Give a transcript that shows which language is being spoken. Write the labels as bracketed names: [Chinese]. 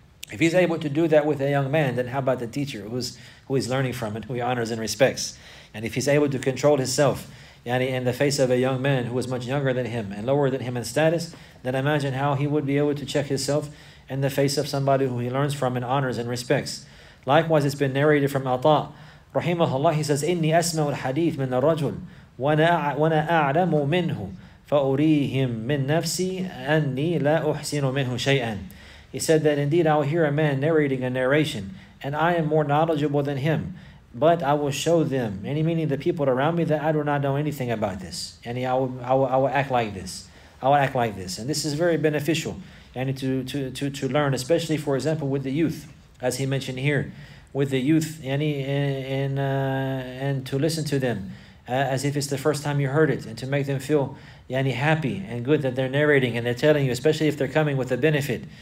[English] If he's able to do that with a young man, then how about the teacher who is learning from it, who he honors and respects? And if he's able to control himself in the face of a young man who was much younger than him and lower than him in status, then imagine how he would be able to check himself in the face of somebody who he learns from and honors and respects. Likewise, it's been narrated from Ata, rahimahullah, he says, [Arabic] إِنِّي أَسْمَعُ الْحَدِيثِ مِنَ الرَّجُلِ وَنَا أَعْلَمُ مِنْهُ فَأُرِيهِمْ مِنْ نَفْسِي أَنِّي لَا أُحْسِنُ مِنْهُ شَيْئًا. [English] He said that indeed I will hear a man narrating a narration, and I am more knowledgeable than him, but I will show them, any meaning the people around me, that I do not know anything about this. I will act like this. I will act like this. And this is very beneficial to learn, especially, for example, with the youth, as he mentioned here, with the youth, and to listen to them as if it's the first time you heard it, and to make them feel happy and good that they're narrating and they're telling you, especially if they're coming with a benefit.